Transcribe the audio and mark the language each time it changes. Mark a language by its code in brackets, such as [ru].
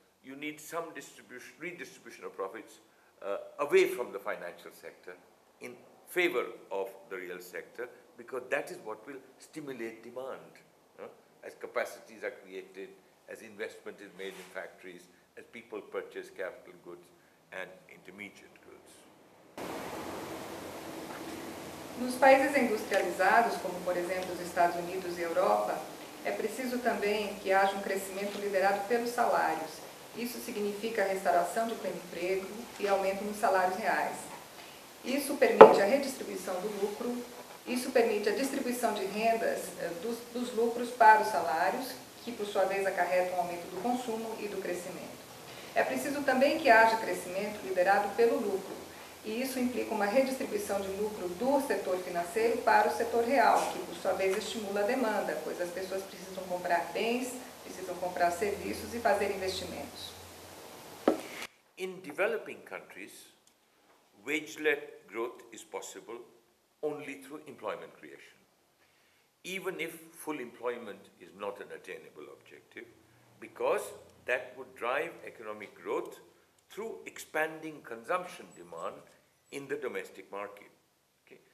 [en] you need some redistribution of profits away from the financial sector in favor of the real sector, because that is what will stimulate demand, as capacities are created, as investment is made in factories, as people purchase capital goods and intermediate goods. [pt] Nos países industrializados, como por exemplo os Estados Unidos e Europa, é preciso também que haja crescimento liderado pelos salários. Isso significa a restauração do pleno emprego e aumento nos salários reais. Isso permite a redistribuição do lucro, isso permite a distribuição de rendas dos lucros para os salários, que por sua vez acarreta um aumento do consumo e do crescimento. É preciso também que haja crescimento liderado pelo lucro, e isso implica uma redistribuição de lucro do setor financeiro para o setor real, que por sua vez estimula a demanda, pois as pessoas precisam comprar bens, precisam comprar serviços e fazer investimentos. [en] In developing countries, wage-led growth is possible only through employment creation, even if full employment is not an attainable objective, because that would drive economic growth through expanding consumption demand in the domestic market. Okay?